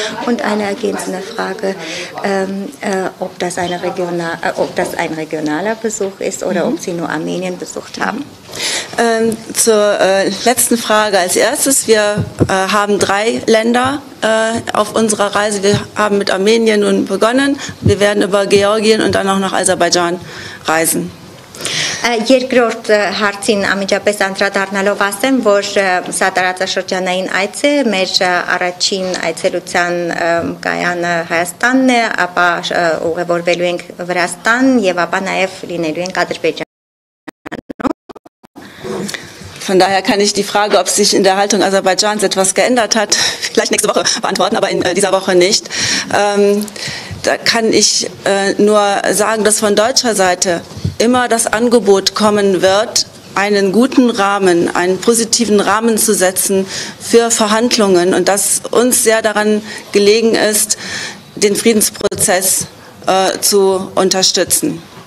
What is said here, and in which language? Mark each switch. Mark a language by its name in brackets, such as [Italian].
[German] Und eine ergänzende Frage, ob das ein regionaler Besuch ist oder ob Sie nur Armenien besucht haben. Zur letzten Frage als erstes. Wir haben 3 Länder auf unserer Reise. Wir haben mit Armenien nun begonnen. Wir werden über Georgien und dann auch nach Aserbaidschan reisen. [Armenian] Երկրորդ հարցին անմիջապես անդրադառնալով ասեմ, որ սա տարածաշրջանային այց է, մեր առաջին այցելության կայանը Հայաստանն է, ապա ուղևորվելու ենք Վրաստան և ապա նաև լինելու ենք Ադրբեջանում. [German] Von daher kann ich die Frage, ob sich in der Haltung Aserbaidschans etwas geändert hat, vielleicht nächste Woche beantworten, aber in dieser Woche nicht. Da kann ich nur sagen, dass von deutscher Seite immer das Angebot kommen wird, einen guten Rahmen, einen positiven Rahmen zu setzen für Verhandlungen und dass uns sehr daran gelegen ist, den Friedensprozess zu unterstützen.